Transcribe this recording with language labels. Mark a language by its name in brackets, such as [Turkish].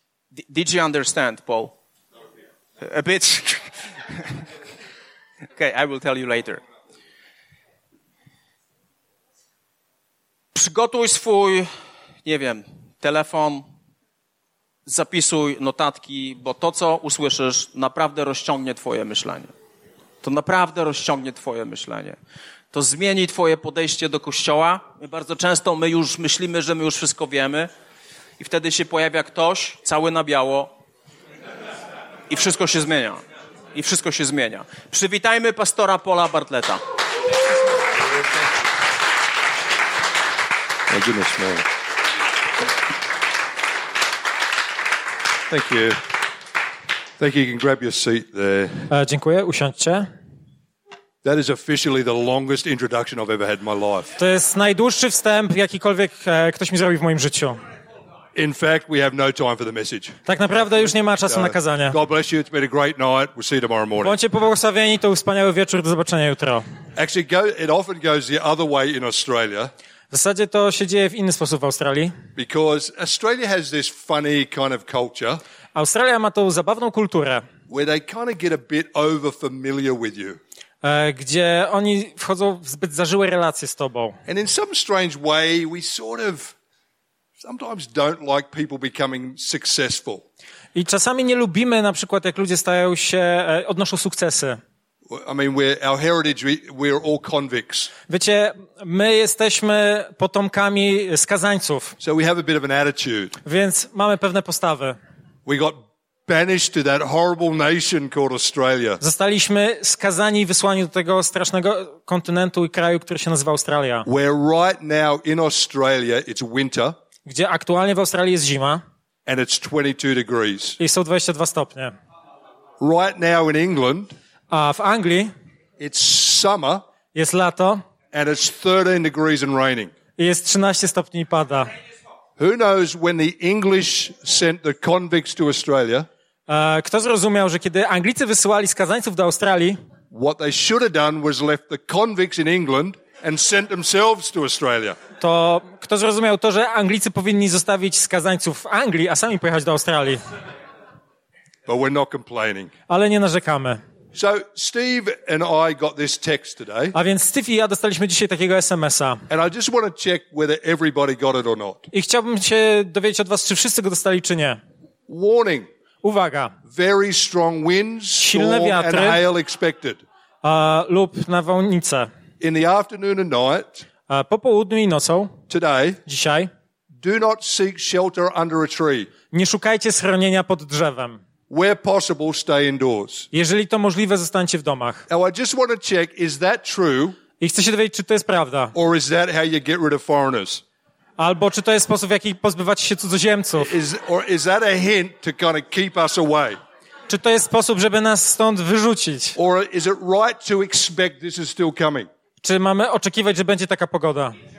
[English] Did you understand, Paul? A bit. Okay, I will tell you later. [Polish] Przygotuj swój, nie wiem, telefon, zapisuj notatki, bo to, co usłyszysz, naprawdę rozciągnie twoje myślenie. To naprawdę rozciągnie twoje myślenie. To zmieni twoje podejście do Kościoła. My bardzo często my już myślimy, że my już wszystko wiemy i wtedy się pojawia ktoś cały na biało i wszystko się zmienia. I wszystko się zmienia. Przywitajmy pastora Paula Bartletta. [English] Thank you, Mr. Mayor. Thank you. Thank you. You can grab your seat there. [Polish] Dziękuję, usiądźcie. [English] That is officially the longest introduction I've ever had in my life. [Polish] To jest najdłuższy wstęp, jakikolwiek ktoś mi zrobił w moim życiu. [English] In fact, we have no time for the message. [Polish] Tak naprawdę już nie ma czasu na kazanie. [English] God bless you. It's been a great night. We'll see you tomorrow morning. [Polish] Bądźcie pobłogosławieni, to wspaniały wieczór. Do zobaczenia jutro. [English] Actually, it often goes the other way in Australia. [Polish] W zasadzie to się dzieje w inny sposób w Australii. [English] Because Australia has this funny kind of culture. [Polish] Australia ma tą zabawną kulturę. [English] Where they kind of get a bit over familiar with you. [Polish] Gdzie oni wchodzą w zbyt zażyłe relacje z tobą. [English] And in some strange way we sort of sometimes don't like people becoming successful. [Polish] I czasami nie lubimy na przykład jak ludzie stają się odnoszą sukcesy. [English] I mean, our heritage, we're all convicts. [Polish] Wiecie, my jesteśmy potomkami skazańców. [English] So we have a bit of an attitude. [Polish] Więc mamy pewne postawy. [English] We got banished to that horrible nation called Australia. [Polish] Zostaliśmy skazani i wysłani do tego strasznego kontynentu i kraju, który się nazywa Australia. [English] Where right now in Australia it's winter. [Polish] Gdzie aktualnie w Australii jest zima. [English] And it's 22 degrees. [Polish] I są 22 stopnie. [English] Right now in England. [Polish] A w Anglii [English] it's summer, [Polish] jest lato [English] and it's 13 degrees and raining. [Polish] I jest 13 stopni i pada. [English] Who knows when the English sent the convicts to Australia? [Polish] Kto zrozumiał, że kiedy Anglicy wysyłali skazańców do Australii, [English] what they should have done was left the convicts in England and sent themselves to Australia. [Polish] To kto zrozumiał to, że Anglicy powinni zostawić skazańców w Anglii, a sami pojechać do Australii? [English] But we're not complaining. [Polish] Ale nie narzekamy. [English] So Steve and I got this text today. [Polish] A więc Steve i ja dostaliśmy dzisiaj takiego SMS-a. [English] And I just want to check whether everybody got it or not. [Polish] I chciałbym się dowiedzieć od was, czy wszyscy go dostali, czy nie. [English] Warning. [Polish] Uwaga. [English] Very strong winds, [Polish] silne wiatry, [English] and hail expected. [Polish] Lub nawałnice. [English] In the afternoon and night. [Polish] Po południu i nocą. [English] Today. [Polish] Dzisiaj. [English] Do not seek shelter under a tree. [Polish] Nie szukajcie schronienia pod drzewem. [English] Where possible, stay indoors. [Polish] Jeżeli to możliwe, zostańcie w domach. [English] Now, I just want to check, is that true? [Polish] I chcę się dowiedzieć, czy to jest prawda. [English] Or is that how you get rid of foreigners? [Polish] Albo czy to jest sposób, w jaki pozbywać się cudzoziemców? [English] Is that a hint to kind of keep us away? [Polish] Czy to jest sposób, żeby nas stąd wyrzucić? [English] Or is it right to expect this is still coming? [Polish] Czy mamy oczekiwać, że będzie taka pogoda?